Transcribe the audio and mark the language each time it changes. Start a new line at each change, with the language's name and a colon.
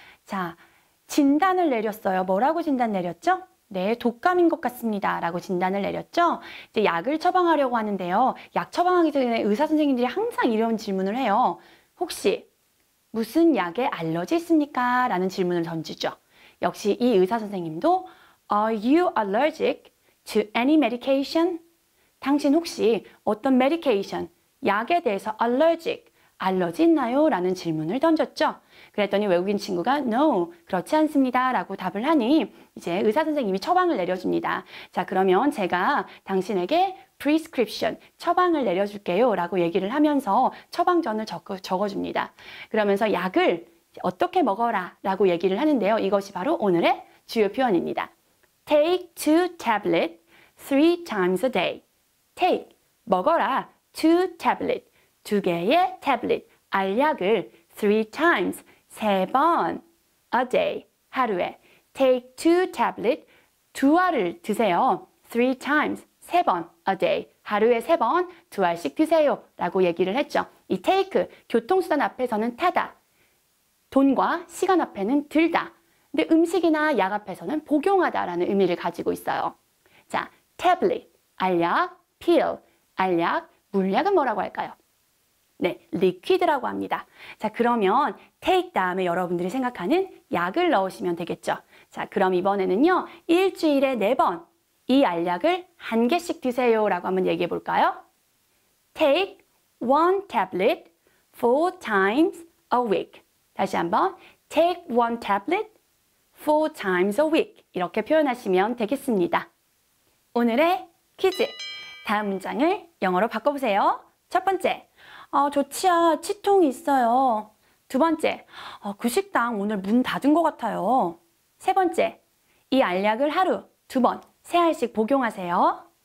Korean: 자, 진단을 내렸어요. 뭐라고 진단 내렸죠? 네, 독감인 것 같습니다 라고 진단을 내렸죠. 이제 약을 처방하려고 하는데요. 약 처방하기 전에 의사 선생님들이 항상 이런 질문을 해요. 혹시 무슨 약에 알러지 있습니까? 라는 질문을 던지죠. 역시 이 의사 선생님도
English: Are you allergic to any medication?
Korean: 당신 혹시 어떤 medication, 약에 대해서 allergic, 알러지 있나요? 라는 질문을 던졌죠. 그랬더니 외국인 친구가 No, 그렇지 않습니다 라고 답을 하니 이제 의사 선생님이 처방을 내려줍니다. 자, 그러면 제가 당신에게 prescription, 처방을 내려줄게요 라고 얘기를 하면서 처방전을 적어줍니다. 그러면서 약을 어떻게 먹어라 라고 얘기를 하는데요. 이것이 바로 오늘의 주요 표현입니다.
English: Take two tablets three times a day. Take,
Korean: 먹어라,
English: two tablets,
Korean: 두 개의
English: tablet,
Korean: 알약을
English: three times,
Korean: 세 번,
English: a day,
Korean: 하루에.
English: Take two tablets,
Korean: 두 알을 드세요.
English: Three times,
Korean: 세 번,
English: a day,
Korean: 하루에 세 번, 두 알씩 드세요. 라고 얘기를 했죠. 이 take, 교통수단 앞에서는 타다, 돈과 시간 앞에는 들다. 근데 음식이나 약 앞에서는 복용하다 라는 의미를 가지고 있어요. 자, tablet, 알약, pill, 알약, 물약은 뭐라고 할까요? 네, liquid라고 합니다. 자, 그러면 take 다음에 여러분들이 생각하는 약을 넣으시면 되겠죠. 자, 그럼 이번에는요, 일주일에 네 번 이 알약을 한 개씩 드세요 라고 한번 얘기해 볼까요?
English: Take one tablet four times a week.
Korean: 다시 한번,
English: take one tablet four times a week.
Korean: 이렇게 표현하시면 되겠습니다. 오늘의 퀴즈. 다음 문장을 영어로 바꿔보세요. 첫 번째, 조치야, 치통이 있어요. 두 번째, 그 식당 오늘 문 닫은 것 같아요. 세 번째, 이 알약을 하루 두 번, 세 알씩 복용하세요.